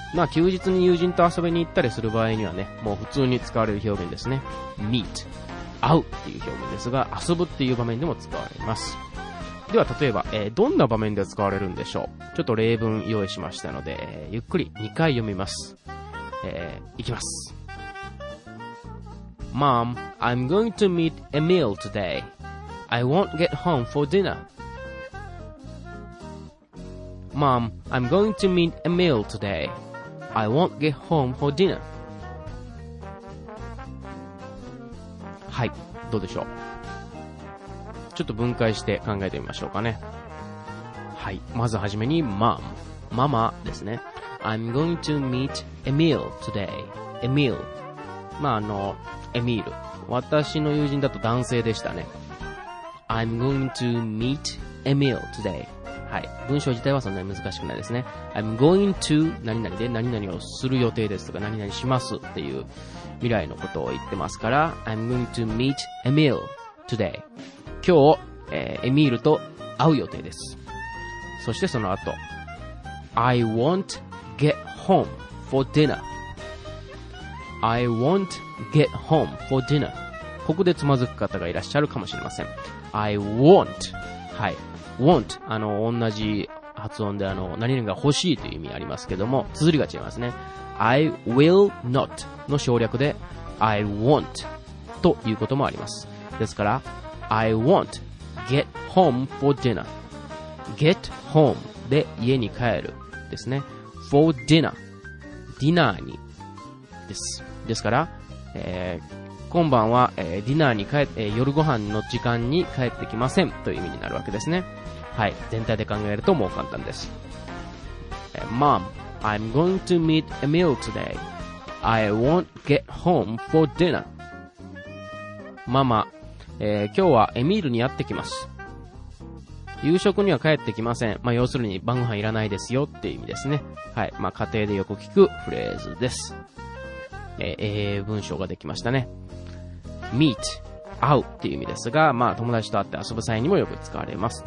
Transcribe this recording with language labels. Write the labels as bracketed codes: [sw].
[ja] まあ休日に友人と遊びに行ったりする場合にはね、もう普通に使われる表現ですね。 meet、 会うっていう表現ですが、遊ぶっていう場面でも使われます。では例えば、どんな場面で使われるんでしょう。ちょっと例文用意しましたので、ゆっくり2回読みます。いきます。 [en] Mom, I'm going to meet Emil today. I won't get home for dinner. Mom, I'm going to meet Emil today. I won't get home for dinner. [ja] はい、どうでしょう。ちょっと分解して考えてみましょうかね。はい、まずはじめに Mom、 ママですね。 [en] I'm going to meet Emil today. [ja] Emil、 まあエミール、私の友人だと男性でしたね。 [en] I'm going to meet Emil today。 [ja] はい、文章自体はそんなに難しくないですね。 [en] I'm going to [ja] 何々で何々をする予定ですとか、何々しますっていう未来のことを言ってますから、 [en] I'm going to meet Emil today。 [ja] 今日、エミールと会う予定です。そしてその後、 [en] I won't get home for dinner。 I won't get home for dinner。 [ja] ここでつまずく方がいらっしゃるかもしれません。 [en] I won't、 [ja] はい、 won't、 同じ発音で何々が欲しいという意味ありますけども、綴りが違いますね。 [en] I will not [ja] の省略で [en] I won't [ja] ということもあります。ですから [en] I won't get home for dinner。 get home [ja] で家に帰るですね。 [en] for dinner、 [ja] ディナーにです。ですから、今晩は、ディナーに帰って、夜ご飯の時間に帰ってきませんという意味になるわけですね。はい、全体で考えるともう簡単です。 [en] Mom, I'm going to meet Emil today. I won't get home for dinner. [ja] ママ、今日はエミールに会ってきます。夕食には帰ってきません。まあ、要するに晩ご飯いらないですよっていう意味ですね。はい、まあ、家庭でよく聞くフレーズです。文章ができましたね。meet、 会うっていう意味ですが、まあ友達と会って遊ぶ際にもよく使われます。